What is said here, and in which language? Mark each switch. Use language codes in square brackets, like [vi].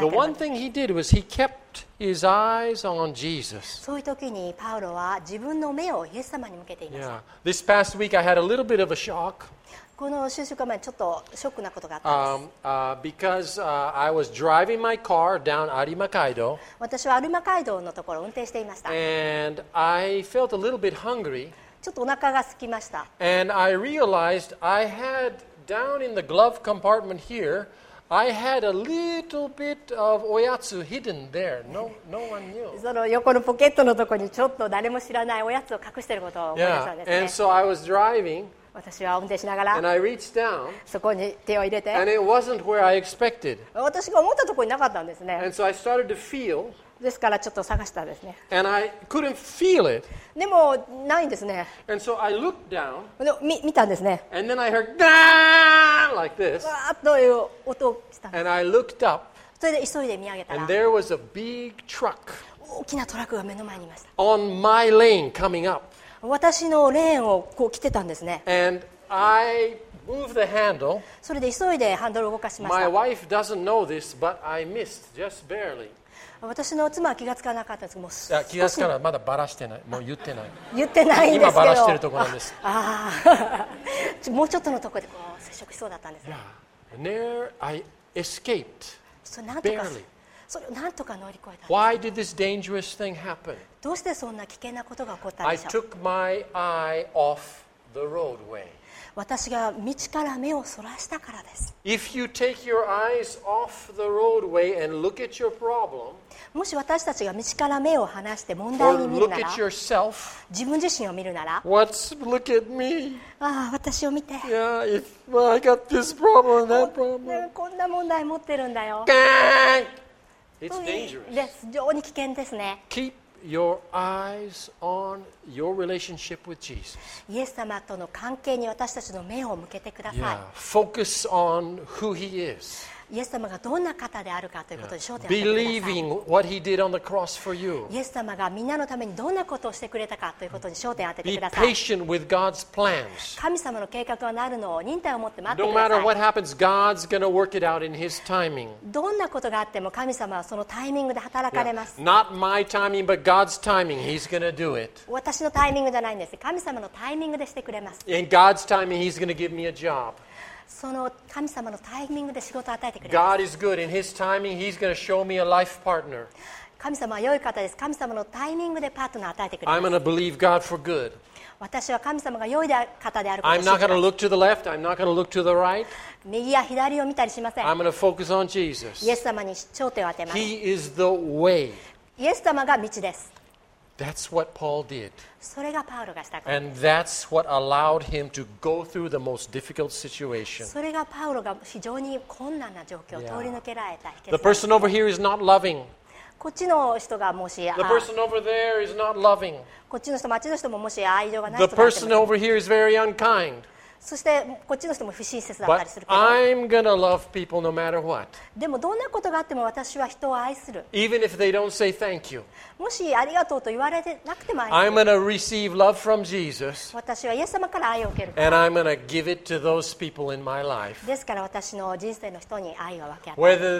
[ja] ければ。 [en] The one thing he did was he kept his eyes on Jesus. [ja] そういうときにパウロは自分の目をイエス様に向けていました。 [en] Yeah. This past week I had a little bit of a shock. [ja] この数週間前ちょっとショックなことがあったんです。 [en] Because I was driving my car down Arima Kaido. [ja] 私はアルマ街道のところを運転していました。 [en] And I felt a little bit hungry. [ja] ちょっとお腹が空きました。 [en] And I realized I had down in the glove compartment here, I had a little bit of oyatsu hidden there. No one knew. [ja] その横のポケットのところにちょっと誰も知らないおやつを隠していることを思い出したんですね。 [en] Yeah. And so I was driving. [ja] 私は運転しながら。 [en] And I reached down. [ja] そこに手を入れて。 [en] And it wasn't where I expected. [ja] 私が思ったところになかったんですね。 [en] And so I started to feel. [ja] ですからちょっと探したんですね。 [en] And I couldn't feel it. [ja] でもないんですね。 [en] And so I looked down. [ja] 見たんですね。 [en] And then I heard "Dah!" like this. [ja] わーっという音がしたんです。 [en] And I looked up. [ja] それで急いで見上げたら。 [en] And there was a big truck. [ja] 大きなトラックが目の前にいました。 [en] On my lane coming up. [ja] 私のレーンをこう来てたんですね。 [en] And I moved the handle. [ja] それで急いでハンドルを動かしました。 [en] My wife doesn't know this, but I missed just barely. [ja] 私の妻は気がつかなかったんですもう気がつかない、まだバラしてない、もう言ってない言ってないんですけど今バラしてるところなんです。ああもうちょっとのところでこう接触しそうだったんです、 [en] yeah. There I escaped barely. [ja] それなんとか乗り越えた。 [en] Why did this dangerous thing happen? [ja] どうしてそんな危険なことが起こったんでしょう。 [en] I took my eye off the roadway. [ja] 私が道から目をそらしたからです。 [en] If you take your eyes off the roadway and look at your problem [ja] もし私たちが道から目を離して問題に見るなら [en] yourself, [ja] 自分自身を見るなら [en] What's, look at me. [ja] ああ私を見て [en] yeah, if, well, I got this problem, that problem. [ja] こんな問題持ってるんだよ。 [en] It's dangerous. [ja] 非常に危険ですね。 [en] Keep your eyes on your relationship with Jesus. [ja] イエス様との関係に私たちの目を向けてください。 [en] yeah, Focus on who he is [ja] イエス様がどんな方であるかということに焦点を当ててください。 [en] yeah. for you. [ja] イエス様がみんなのためにどんなことをしてくれたかということに焦点を当ててください。 [en] Be patient with God's plans. [ja] 神様の計画がなるのを忍耐を持って待ってください [en] No matter what happens, God's going to work it out in His timing. [ja] どんなことがあっても神様はそのタイミングで働かれます。 [en] yeah. Not my timing, but God's timing. He's going to do it. [ja] 私のタイミングじゃないんです。神様のタイミングでしてくれます。 [en] In God's timing, He's going to give me a job. [ja] その神様のタイミングで仕事を与えてくれます。 [en] God is good. In His timing, He's going to show me a life partner. [ja] 神様は良い方です。神様のタイミングでパートナーを与えてくれます。 [en] I'm going to believe God for good. [ja] 私は神様が良い方であることを。 [en] I'm not going to look to the left. I'm not going to look to the right. [ja] 右や左を見たりしません。 [en] I'm going to focus on Jesus. [ja] イエス様に焦点を当てます。 [en] He is the way. [ja] イエス様が道です。 [en] That's what Paul did. [ja] それがパウロがしたことです。 [en] And that's what allowed him to go through the most difficult situation. [ja] それがパウロが非常に困難な状況を通り抜けられた秘訣です。 [en] The person over here is not loving. [ja] こっちの人がもし、 [en] The person over there is not loving. [ja] こっちの人、町の人ももし愛情がない人だっても、 [en] The person over here is very unkind. [ja] そしてこっちの人も不親切だったりするけど、 [en] But I'm going to love people no matter what. [ja] でもどんなことがあっても私は人を愛する。 [en] Even if they don't say thank you. [ja] もしありがとうと言われてなくても [en] I'm going to receive love from Jesus. [ja] 私はイエス様から愛を受ける。 [en] And I'm going to give it to those people in my life. [ja] ですから私の人生の人に愛を分け与える。